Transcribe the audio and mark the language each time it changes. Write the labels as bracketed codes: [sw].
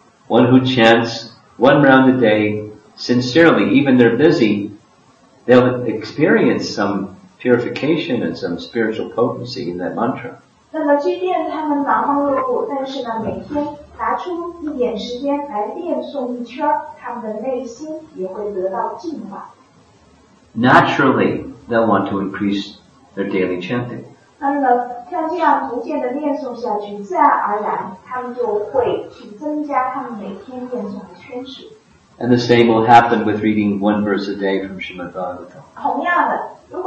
[en] One who chants one round a day sincerely, even they're busy, they'll experience some purification and some spiritual potency in that mantra. Naturally, they'll want to increase their daily chanting. [zh] 那么像这样逐渐的练诵下去，自然而然，他们就会去增加他们每天练诵的圈数。 [en] And the same will happen with reading one verse a day from Srimad Bhagavatam.